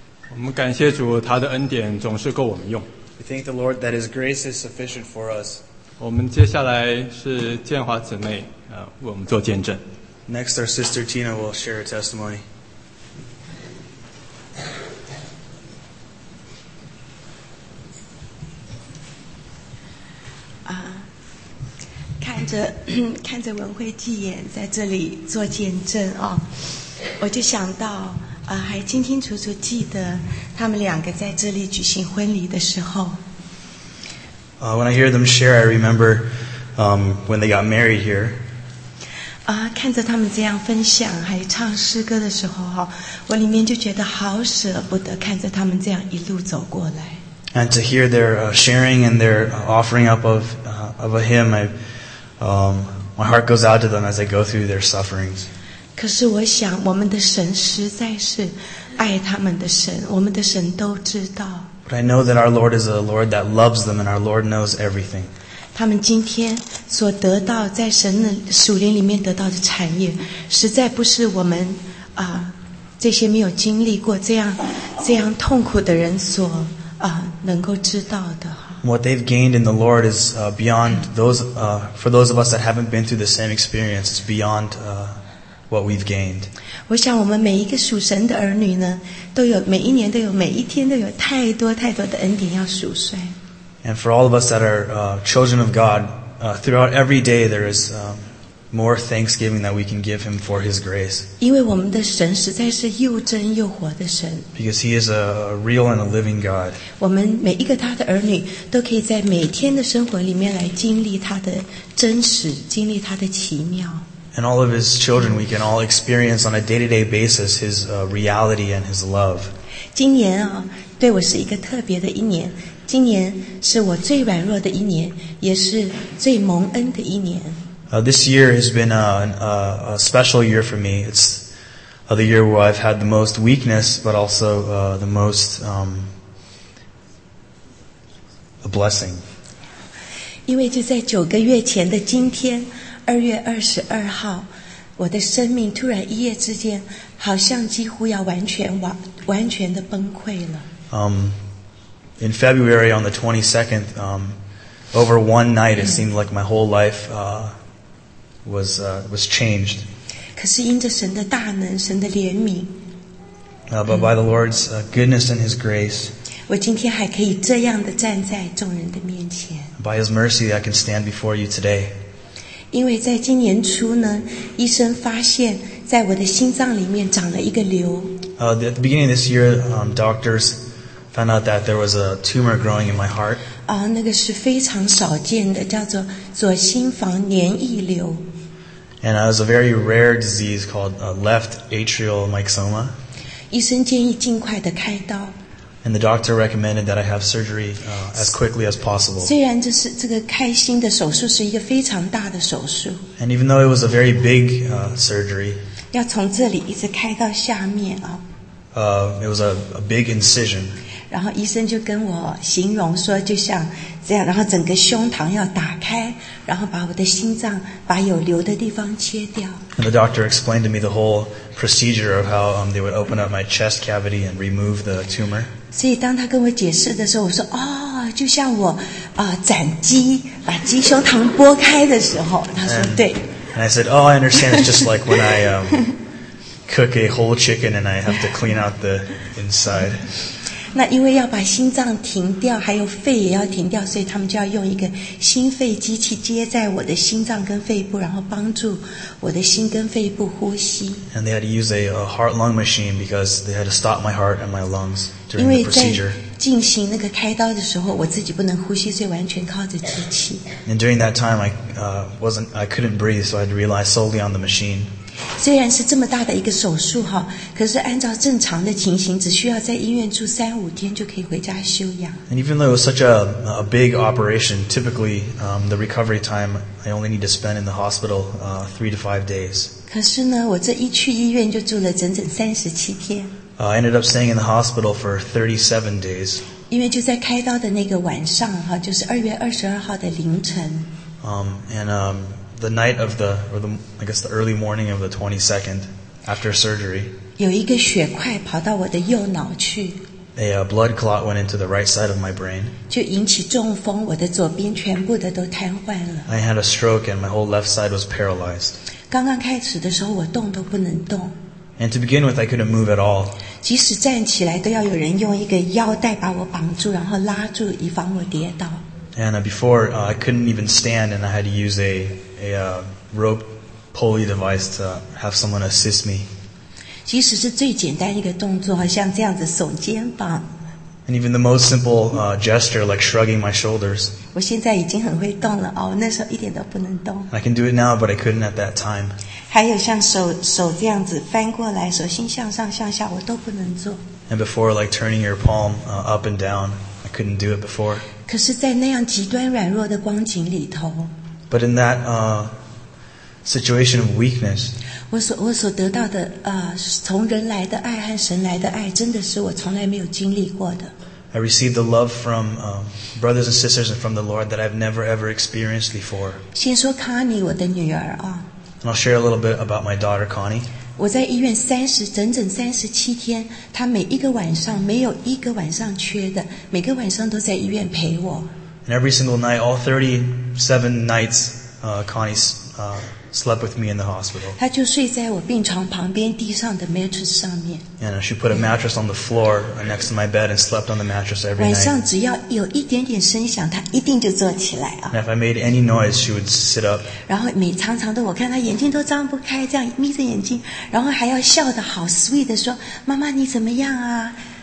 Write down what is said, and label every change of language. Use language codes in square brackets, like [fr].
[zh] 我们感谢主，他的恩典总是够我们用。 [en] We thank the Lord that His grace is sufficient for us. [zh] 我们接下来是建华姊妹。为我们做见证。 [en] Next, our sister Tina will share a testimony. [zh] Ah, 看着文慧纪言在这里做见证哦，我就想到还清清楚楚记得他们两个在这里举行婚礼的时候。 [en] When I hear them share, I remember, when they got married here. [zh] 看着他们这样分享还唱诗歌的时候，我里面就觉得好舍不得，看着他们这样一路走过来。 [en] And to hear their sharing and their offering up of a hymn, my heart goes out to them as they go through their sufferings. [zh] 可是我想，我们的神实在是爱他们的神，我们的神都知道。 [en] But I know that our Lord is a Lord that loves them, and our Lord knows everything. [zh] 他们今天所得到在神的属灵里面得到的产业，实在不是我们这些没有经历过这样痛苦的人所能够知道的。 [en] What they've gained in the Lord is beyond those for those of us that haven't been through the same experience. It's beyond what we've gained. [zh] 我想我们每一个属神的儿女呢，都有每一年都有每一天都有太多太多的恩典要数算。 [en] And for all of us that are children of God, throughout every day there is more thanksgiving that we can give Him for His grace. [zh] 因为我们的神实在是又真又活的神。 [en] Because He is a real and a living God. [zh] 我们每一个他的儿女都可以在每天的生活里面来经历他的真实，经历他的奇妙。 [en] And all of His children, we can all experience on a day-to-day basis His reality and His love. [zh] 今年啊，对我是一个特别的一年。今年是我最软弱的一年，也是最蒙恩的一年。 [en] This year has been a special year for me. It's the year where I've had the most weakness, but also the most a blessing. [zh] 因为就在九个月前的今天，2月22号，我的生命突然一夜之间，好像几乎要完全的崩溃了。 [en] In February on the 22nd, over one night, it seemed like my whole life was changed. [zh] 可是因着神的大能，神的怜悯。 [en] But by the Lord's goodness and His grace, [zh] 我今天还可以这样的站在众人的面前。 [en] By His mercy, I can stand before you today. [zh] 因为在今年初呢，医生发现在我的心脏里面长了一个瘤。 [en] At the beginning of this year, doctors. Found out that there was a tumor growing in my heart. [zh] 那个是非常少见的，叫做左心房粘液瘤。 [en] And it was a very rare disease called left atrial myxoma. [zh] 医生建议尽快的开刀。 [en] And the doctor recommended that I have surgery as quickly as possible. [zh] 虽然这个开心的手术是一个非常大的手术。 [en] And even though it was a very big surgery. [zh] 要从这里一直开到下面啊。 [en] It was a big incision. [zh] 然后医生就跟我形容说，就像这样，然后整个胸膛要打开，然后把我的心脏把有瘤的地方切掉。 [en] And the doctor explained to me the whole procedure of how they would open up my chest cavity and remove the tumor. [zh] 所以当他跟我解释的时候，我说哦，就像我斩鸡把鸡胸膛剥开的时候，他说对。 [en] And I said, oh, I understand. It's just like when I cook a whole chicken and I have to clean out the inside. [zh] 那因为要把心脏停掉，还有肺也要停掉，所以他们就要用一个心肺机器接在我的心脏跟肺部，然后帮助我的心跟肺部呼吸。 [en] And they had to use a heart lung machine because they had to stop my heart and my lungs during the procedure. [zh] 因为在进行那个开刀的时候，我自己不能呼吸，所以完全靠着机器。 [en] And during that time, I couldn't breathe, so I had to rely solely on the machine. [zh] 虽然是这么大的一个手术哈，可是按照正常的情形，只需要在医院住三五天就可以回家休养。 [en] And even though it was such a big operation, typically, the recovery time I only need to spend in the hospital, 3 to 5 days. [zh] 可是呢，我这一去医院就住了整整37天。 [en] I ended up staying in the hospital for 37 days. [zh] 因为就在开刀的那个晚上哈，就是二月二十二号的凌晨。 [en] The night of the, or the, I guess the early morning of the 22nd, after surgery, [zh] 有一个血块跑到我的右脑去。 [en] A blood clot went into the right side of my brain. [zh] 就引起中风，我的左边全部的都瘫痪了。 [en] I had a stroke and my whole left side was paralyzed. [zh] 刚刚开始的时候，我动都不能动。 [en] And to begin with, I couldn't move at all. [zh] 即使站起来，都要有人用一个腰带把我绑住，然后拉住，以防我跌倒。 [en] And before, I couldn't even stand, and I had to use a rope pulley device to have someone assist me. [zh] 即使是最简单一个动作，像这样子耸肩膀。 [en] And even the most simple gesture, like shrugging my shoulders. [zh] 我现在已经很会动了哦，那时候一点都不能动。 [en] I can do it now, but I couldn't at that time. [zh] 还有像手这样子翻过来，手心向上向下，我都不能做。 [en] And before, like turning your palm up and down, I couldn't do it before. [zh] 可是在那样极端软弱的光景里头 [en] But in that situation of weakness [zh] 我所得到的从人来的爱和神来的爱真的是我从来没有经历过的 [en] I received the love from brothers and sisters and from the Lord that I've never ever experienced before [zh] 先说 Connie 我的女儿 [en] And I'll share a little bit about my daughter Connie [zh] 我在医院整整37天，她每一个晚上没有一个晚上缺的，每个晚上都在医院陪我。 [en] And every single night, all 37 nights, Connie slept with me in the hospital. [zh] 她就睡在我病床旁边地上的 mattress 上面。 [en] And she put a mattress on the floor next to my bed and slept on the mattress every night. [zh] 晚上只要有一点点声响，她一定就坐起来啊。 [en] And if I made any noise, she would sit up. [zh] 然后每常常的我看她眼睛都张不开，这样眯着眼睛，然后还要笑得好 sweet 的说：“妈妈，你怎么样啊？”